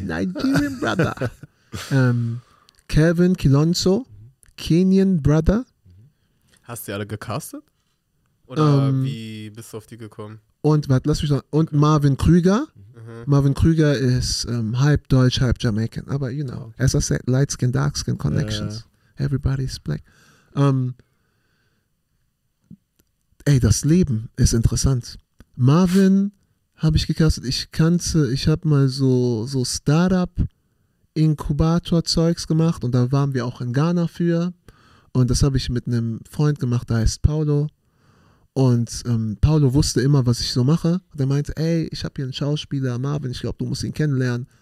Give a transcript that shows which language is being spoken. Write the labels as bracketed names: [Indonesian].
[English] Nigerian Brother. Kevin Kilonzo, Kenyan Brother. [German] Hast du die alle gecastet? Oder wie bist du auf die gekommen? Und warte, lass mich noch. Und okay. Marvin Krüger. Mhm. Marvin Krüger ist halb Deutsch, halb Jamaican. Aber [English] you know, as I said, light skin, dark skin connections. Yeah. Everybody's black. [German] Ey, das Leben ist interessant. Marvin habe ich gecastet. Ich habe mal so Startup Inkubator-Zeugs gemacht und da waren wir auch in Ghana für und das habe ich mit einem Freund gemacht, der heißt Paolo und Paolo wusste immer, was ich so mache und er meinte, ey, ich habe hier einen Schauspieler, Marvin, ich glaube, du musst ihn kennenlernen.